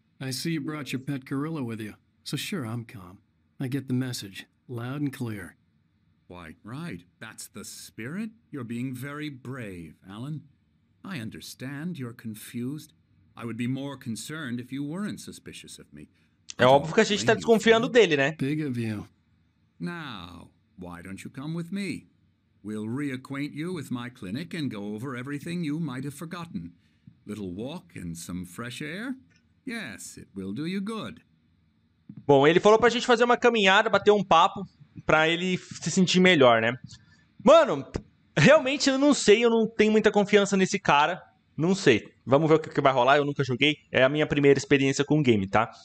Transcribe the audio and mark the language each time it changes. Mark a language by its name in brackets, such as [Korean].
[English] I see you brought your pet gorilla with you. So sure, I'm calm. I get the message, loud and clear. Why, right. That's the spirit. You're being very brave, Alan. I understand you're confused. I would be more concerned if you weren't suspicious of me. [Portuguese] É óbvio que a gente tá desconfiando dele, né? [English] Big of you. Now, why don't you come with me? We'll reacquaint you with my clinic and go over everything you might have forgotten. Little walk and some fresh air? Yes, it will do you good. [Portuguese] Bom, ele falou pra gente fazer uma caminhada, bater um papo, pra ele se sentir melhor, né? Mano, realmente eu não sei, eu não tenho muita confiança nesse cara. Não sei. Vamos ver o que vai rolar, eu nunca joguei. É a minha primeira experiência com o game, tá?